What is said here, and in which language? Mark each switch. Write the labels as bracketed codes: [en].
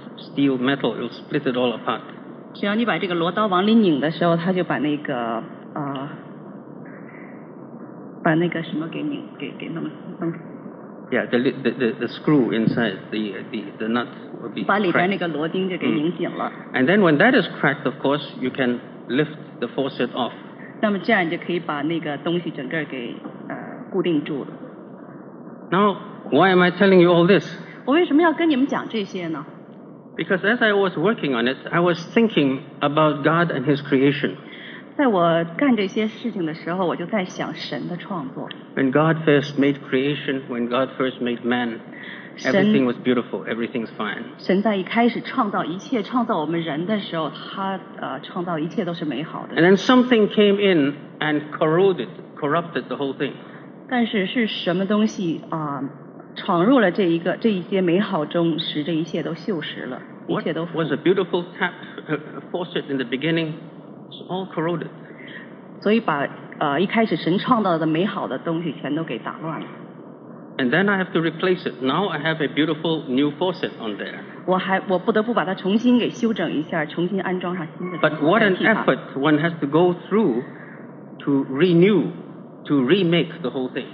[en] Steel, metal, it will split it all apart. [zh] 只要你把这个螺刀往里拧的时候，它就把那个把那个什么给拧给弄。 [en] Yeah, the screw inside the nut will be. [zh] 把里边那个螺钉就给拧紧了。 [en] And then when that is cracked, of course, you can lift the faucet off. [zh] 那么这样就可以把那个东西整个给固定住了。 [en] Now, why am I telling you all this? [zh] 我为什么要跟你们讲这些呢？ [en] Because as I was working on it, I was thinking about God and His creation. [zh] 在我干这些事情的时候，我就在想神的创作。 [en] When God first made creation, when God first made man, everything was beautiful. Everything's fine. [zh] 神在一开始创造一切，创造我们人的时候，他创造一切都是美好的。 [en] And then something came in and corrupted the whole thing. [zh] 但是是什么东西闯入了这一些美好中，使这一切都锈蚀了，一切都腐。 [en] What was a beautiful tap faucet in the beginning? It's all corroded. [zh] 所以把一开始神创造的美好的东西全都给打乱了。 [en] And then I have to replace it. Now I have a beautiful new faucet on there. [zh] 我不得不把它重新给修整一下，重新安装上新的。 [en] But what an effort one has to go through to renew. To remake the whole thing.